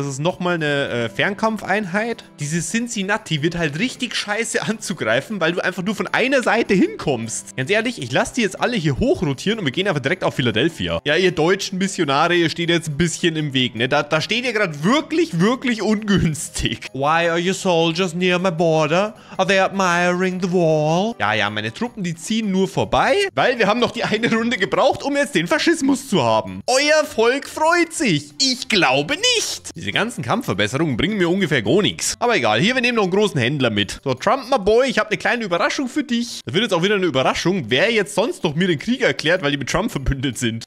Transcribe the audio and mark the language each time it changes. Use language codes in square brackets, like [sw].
[de] Das ist nochmal eine Fernkampfeinheit. Diese Cincinnati wird halt richtig scheiße anzugreifen, weil du einfach nur von einer Seite hinkommst. Ganz ehrlich, ich lasse die jetzt alle hier hoch rotieren und wir gehen einfach direkt auf Philadelphia. Ja, ihr deutschen Missionare, ihr steht jetzt ein bisschen im Weg, ne? Da steht ihr gerade wirklich, wirklich ungünstig. [en] Why are your soldiers near my border? Are they admiring the wall? [de] Ja, ja, meine Truppen, die ziehen nur vorbei, weil wir haben noch die eine Runde gebraucht, um jetzt den Faschismus zu haben. Euer Volk freut sich. Ich glaube nicht. Diese ganzen Kampfverbesserungen bringen mir ungefähr gar nichts. Aber egal, hier, wir nehmen noch einen großen Händler mit. [en] So, Trump, my boy, [de] ich habe eine kleine Überraschung für dich. Das wird jetzt auch wieder eine Überraschung, wer jetzt sonst noch mir den Krieg erklärt, weil die mit Trump verbündet sind.